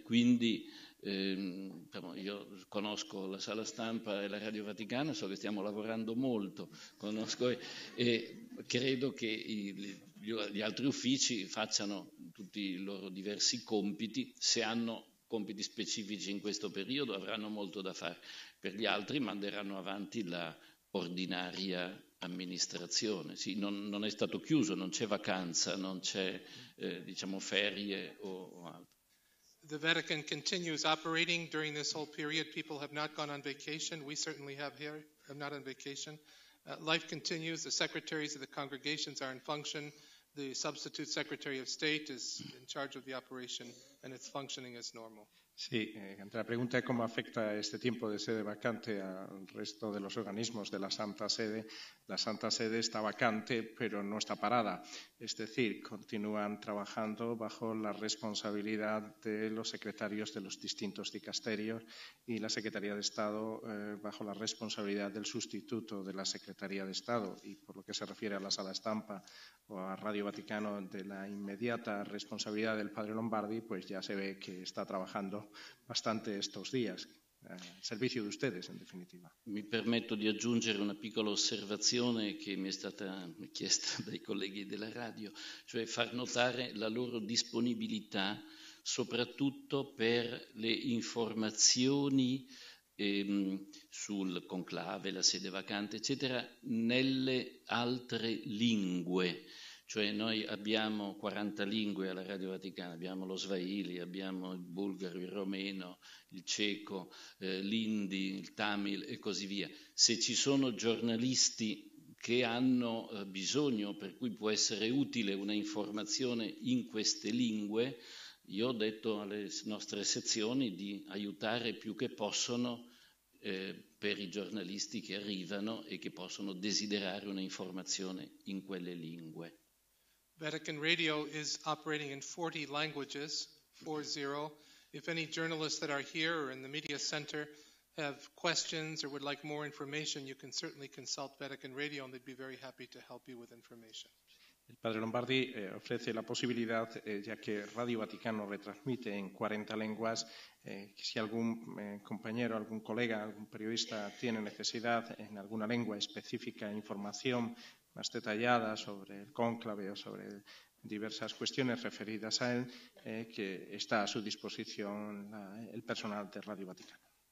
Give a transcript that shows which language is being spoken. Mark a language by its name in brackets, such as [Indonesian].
[Italian] Quindi io conosco la sala stampa e la Radio Vaticana, so che stiamo lavorando molto, conosco e credo che gli altri uffici facciano tutti i loro diversi compiti. Se hanno compiti specifici in questo periodo avranno molto da fare, per gli altri manderanno avanti la ordinaria amministrazione. Sì, non è stato chiuso, non c'è vacanza, non c'è diciamo ferie o altro. [English] The Vatican continues operating during this whole period. People have not gone on vacation. We certainly have here. I'm not on vacation. Life continues. The secretaries of the congregations are in function. The substitute secretary of state is in charge of the operation, and it's functioning as normal. [Spanish] Sí, la pregunta es cómo afecta este tiempo de sede vacante al resto de los organismos de la Santa Sede. La Santa Sede está vacante, pero no está parada. Es decir, continúan trabajando bajo la responsabilidad de los secretarios de los distintos dicasterios y la Secretaría de Estado bajo la responsabilidad del sustituto de la Secretaría de Estado. Y por lo que se refiere a la Sala Estampa o a Radio Vaticano, de la inmediata responsabilidad del Padre Lombardi, pues ya se ve que está trabajando bastante estos días. Servicio de ustedes, en definitiva. [Italian] Mi permetto di aggiungere una piccola osservazione che mi è stata chiesta dai colleghi della radio, cioè far notare la loro disponibilità soprattutto per le informazioni sul conclave, la sede vacante, eccetera, nelle altre lingue. Cioè noi abbiamo 40 lingue alla Radio Vaticana, abbiamo lo swahili, abbiamo il bulgaro, il romeno, il ceco, l'hindi, il tamil e così via. Se ci sono giornalisti che hanno bisogno, per cui può essere utile una informazione in queste lingue, io ho detto alle nostre sezioni di aiutare più che possono per i giornalisti che arrivano e che possono desiderare una informazione in quelle lingue. [English] Vatican Radio is operating in 40 languages, 40. If any journalists that are here or in the media center have questions or would like more information, you can certainly consult Vatican Radio and they'd be very happy to help you with information. [Spanish] El padre Lombardi ofrece la posibilidad, ya que Radio Vaticano retransmite en 40 lenguas, que si algún compañero, algún colega, algún periodista tiene necesidad en alguna lengua específica de información más detallada sobre el cónclave o sobre diversas cuestiones referidas a él, que está a su disposición el personal de Radio Vaticano.